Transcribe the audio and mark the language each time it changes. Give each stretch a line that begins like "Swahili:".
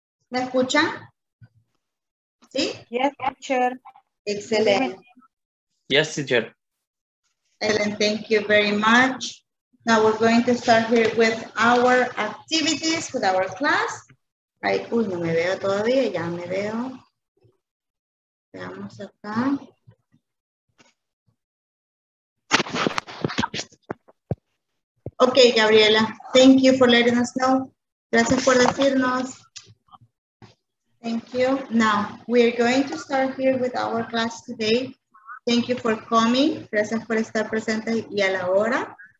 Spanish: ¿Me escuchan? ¿Sí?
English: Yes, teacher. Excellent. Yes, teacher. Excellent, thank you very much. Now we're going to start here with our activities, with our class. Right?
Spanish: Uy, no me veo todavía, ya me veo. Veamos acá.
English: Okay, Gabriela, thank you for letting us know.
Spanish: Gracias por decirnos.
English: Thank you. Now, we are going to start here with our class today. Thank you for coming.
Spanish: Gracias por estar presente y a la hora.